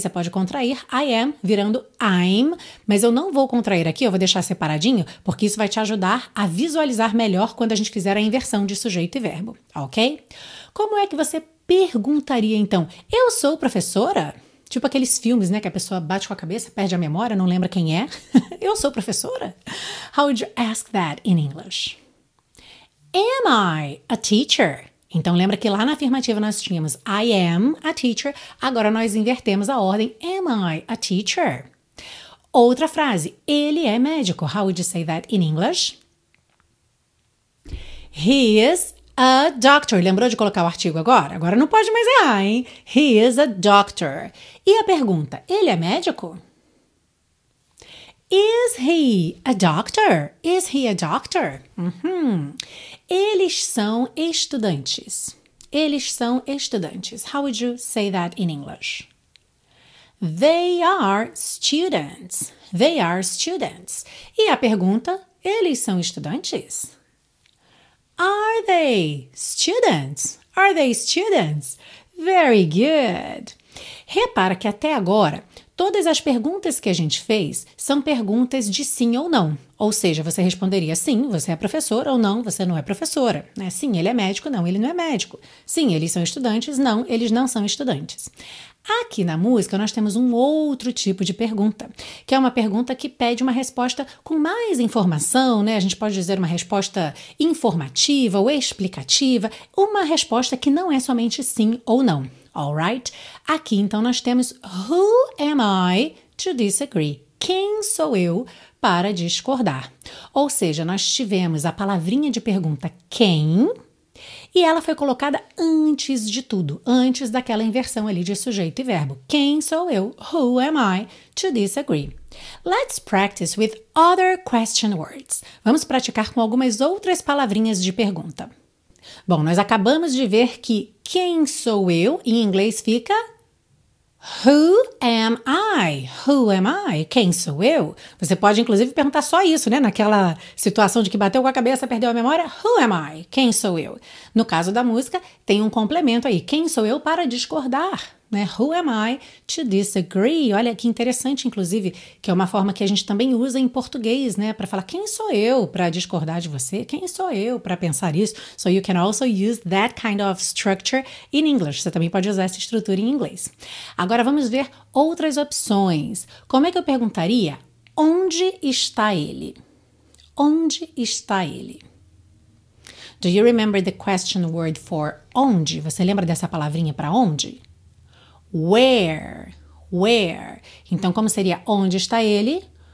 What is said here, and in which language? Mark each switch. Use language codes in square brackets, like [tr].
[pt] Você pode contrair I am virando I'm, mas eu não vou contrair aqui, eu vou deixar separadinho, porque isso vai te ajudar a visualizar melhor quando a gente fizer a inversão de sujeito e verbo, ok? Como é que você perguntaria, então, eu sou professora? Tipo aqueles filmes, né, que a pessoa bate com a cabeça, perde a memória, não lembra quem é. Eu sou professora. [en] How would you ask that in English? Am I a teacher? [pt] Então, lembra que lá na afirmativa nós tínhamos [en] I am a teacher. [pt] Agora, nós invertemos a ordem. [en] Am I a teacher? [pt] Outra frase. Ele é médico. [en] How would you say that in English? He is a doctor. [pt] Lembrou de colocar o artigo agora? Agora não pode mais errar, hein? [en] He is a doctor. [pt] E a pergunta, ele é médico? [en] Is he a doctor? Is he a doctor? [pt] Eles são estudantes. Eles são estudantes. [en] How would you say that in English? They are students. They are students. [pt] E a pergunta, eles são estudantes? [en] Are they students? Are they students? Very good. [pt] Repara que até agora, todas as perguntas que a gente fez são perguntas de sim ou não. Ou seja, você responderia sim, você é professora, ou não, você não é professora. Né? Sim, ele é médico, não, ele não é médico. Sim, eles são estudantes, não, eles não são estudantes. Aqui na música, nós temos um outro tipo de pergunta, que é uma pergunta que pede uma resposta com mais informação, né? A gente pode dizer uma resposta informativa ou explicativa, uma resposta que não é somente sim ou não, [en] all right? [pt] Aqui, então, nós temos [en] who am I to disagree? [pt] Quem sou eu para discordar? Ou seja, nós tivemos a palavrinha de pergunta quem... E ela foi colocada antes de tudo, antes daquela inversão ali de sujeito e verbo. Quem sou eu? [en] Who am I to disagree? Let's practice with other question words. [pt] Vamos praticar com algumas outras palavrinhas de pergunta. Bom, nós acabamos de ver que quem sou eu em inglês fica... Who am I? Who am I? Quem sou eu? Você pode, inclusive, perguntar só isso, né? Naquela situação de que bateu com a cabeça, perdeu a memória. [en] Who am I? [pt] Quem sou eu? No caso da música, tem um complemento aí. Quem sou eu para discordar? Né? [en] Who am I to disagree? [pt] Olha que interessante, inclusive, que é uma forma que a gente também usa em português, né? Para falar quem sou eu para discordar de você? Quem sou eu para pensar isso? [en] So you can also use that kind of structure in English. [pt] Você também pode usar essa estrutura em inglês. Agora vamos ver outras opções. Como é que eu perguntaria? Onde está ele? Onde está ele? [en] Do you remember the question word for onde? [pt] Você lembra dessa palavrinha para onde? Where, where. Então, como seria onde está ele?